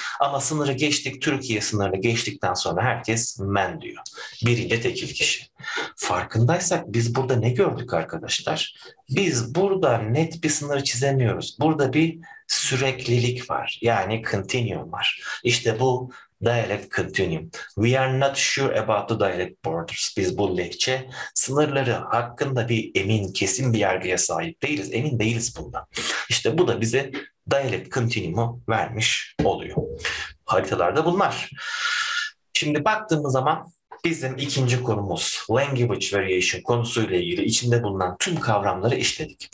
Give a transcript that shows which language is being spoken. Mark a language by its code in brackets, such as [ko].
[tr] Ama sınırı geçtik, Türkiye sınırını geçtikten sonra herkes men diyor. Birinci tekil kişi. Farkındaysak biz burada ne gördük arkadaşlar? Biz burada net bir sınır çizemiyoruz. Burada bir süreklilik var. Yani continuum var. İşte bu dialect continuum. [en] We are not sure about the dialect borders. [tr] Biz bu lehçe sınırları hakkında bir emin, kesin bir yargıya sahip değiliz. Emin değiliz bundan. İşte bu da bize dialect continuum'u vermiş oluyor. Haritalarda bunlar. Şimdi baktığımız zaman bizim ikinci konumuz language variation konusuyla ilgili içinde bulunan tüm kavramları işledik.